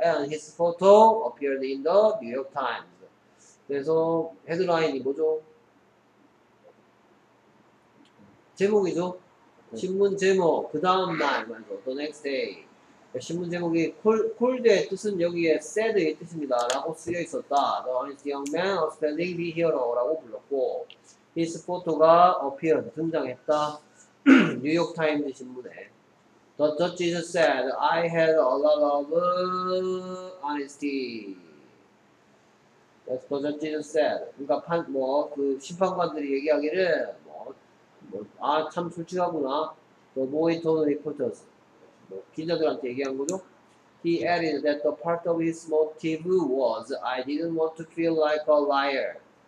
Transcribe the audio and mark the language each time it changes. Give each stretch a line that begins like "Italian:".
English: And his photo appeared in the New York Times.
Korean: 그래서 헤드라인이 뭐죠? 제목이죠? 신문 제목 그 다음 날 말이죠.
English: The next day
Korean: 신문 제목이 콜드의 뜻은 여기에 sad의 뜻입니다 라고 쓰여 있었다.
English: The honest young man a spelling bee hero
Korean: 라고 불렀고
English: his photo가 appeared
Korean: 등장했다.
English: 뉴욕타임즈
Korean: 신문에
English: The judges said I had a lot of honesty. That's the judges said.
Korean: 그러니까 판, 뭐, 그 심판관들이 얘기하기를 뭐, 뭐, 아 참 솔직하구나.
English: The boy told the reporters.
Korean: 뭐, 기자들한테 얘기한 거죠.
English: He added that the part of his motive was I didn't want to feel like a liar.